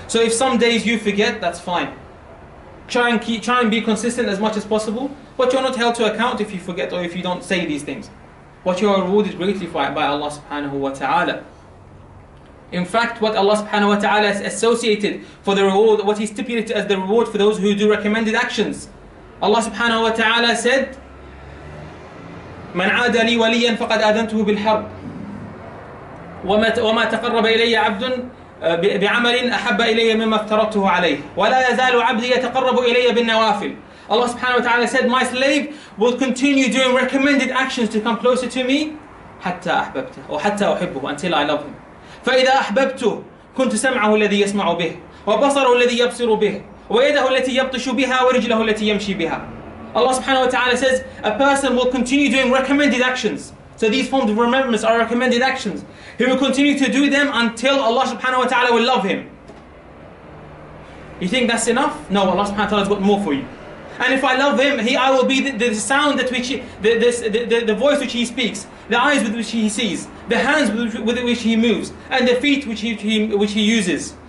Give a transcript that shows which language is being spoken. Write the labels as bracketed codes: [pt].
[en] So if some days you forget, that's fine. Try and be consistent as much as possible. But you're not held to account if you forget or if you don't say these things. But you are rewarded greatly by Allah subhanahu wa ta'ala. In fact, what Allah subhanahu wa ta'ala has associated for the reward, what He stipulated as the reward for those who do recommended actions. [ar] Allah subhanahu wa ta'ala said, مَنْ عَادَ لِي وَلِيًّا فَقَدْ أَذَنْتُهُ بِالْحَرْبِ وما تقرب إلي عبد بعمل أحب إلي مما افترضته عليه ولا يزال عبدي يتقرب إلي بالنوافل. [en] Allah subhanahu wa ta'ala said, my slave will continue doing recommended actions to come closer to me [ar] حتى أحببته أو حتى أحبه, [en] until I love him. [ar] فإذا أحببته كنت سمعه الذي يسمع به وبصره الذي يبصر به ويده التي يبطش بها ورجله التي يمشي بها. [en] Allah subhanahu wa ta'ala says, a person will continue doing recommended actions. So these forms of remembrance are recommended actions. He will continue to do them until Allah subhanahu wa ta'ala will love him. You think that's enough? No, Allah subhanahu wa ta'ala has got more for you. And if I love him, I will be the voice which he speaks, the eyes with which he sees, the hands with which he moves, and the feet which he uses.